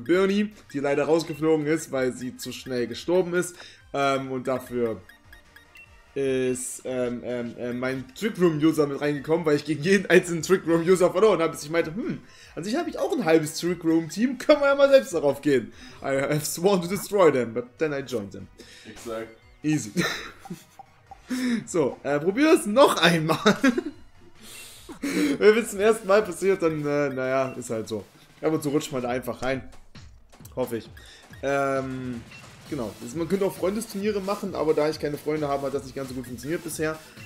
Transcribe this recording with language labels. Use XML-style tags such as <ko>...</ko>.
<de>Bernie, die leider rausgeflogen ist, weil sie zu schnell gestorben ist. Und dafür ist mein Trick-Room-User mit reingekommen, weil ich gegen jeden einzelnen Trick-Room-User verloren habe, bis ich meinte, an sich habe ich auch ein halbes Trick-Room-Team, können wir ja mal selbst darauf gehen.</de> <en>I have sworn to destroy them, but then I joined them.</en> <de>Exakt. Easy. So, probier es noch einmal. Wenn es zum ersten Mal passiert, dann, naja, ist halt so. Aber so rutscht man da einfach rein. Hoffe ich. Genau, man könnte auch Freundesturniere machen, aber da ich keine Freunde habe, hat das nicht ganz so gut funktioniert bisher.</de>